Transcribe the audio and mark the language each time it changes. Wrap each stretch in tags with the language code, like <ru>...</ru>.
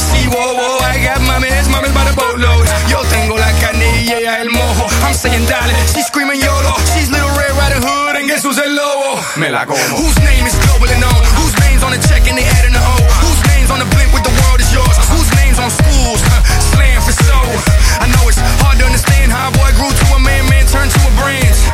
<en>See, whoa, whoa. I got mames, mames by the boatload.</en> <es>Yo tengo la canilla y el mojo.</es> <en>I'm saying, dale. She's screaming YOLO. She's little Red Riding Hood. And guess who's</en> <es>el lobo? Me la como.</es> <en>Whose name is global and known? Whose name's on the check and they adding the O? Whose name's on the blimp with the world is yours? Whose name's on schools? Slam for soul. I know it's hard to understand how a boy grew to a man, man turned to a brand.</en>